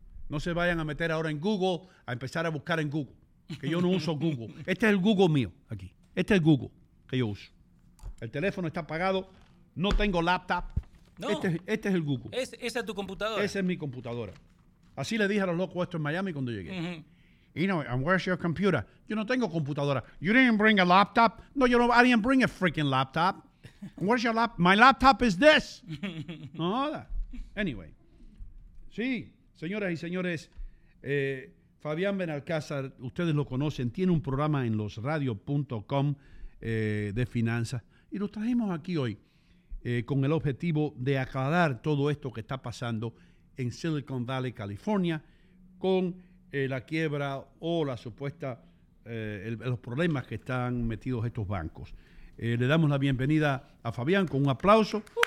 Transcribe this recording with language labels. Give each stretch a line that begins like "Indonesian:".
Spanish: No se vayan a meter ahora en Google, a empezar a buscar en Google, que yo no uso Google. Este es el Google mío, aquí. Este es el Google que yo uso. El teléfono está apagado, no tengo laptop. No. Este es el Google. Esa es tu computadora. Esa es mi computadora. Así le dije a los locos esto en Miami cuando llegué.
English: Uh-huh. You know, and where's your computer?
Spanish: Yo no tengo computadora.
English: You didn't bring a laptop? No, you know, I didn't bring a freaking laptop. Where's your laptop? My laptop is this. No, anyway.
Spanish: Sí, señoras y señores, Fabián Benalcázar, ustedes lo conocen, tiene un programa en losradio.com de finanzas y lo trajimos aquí hoy con el objetivo de aclarar todo esto que está pasando en Silicon Valley, California, con la quiebra o la supuesta, los problemas que están metidos estos bancos. Le damos la bienvenida a Fabián con un aplauso.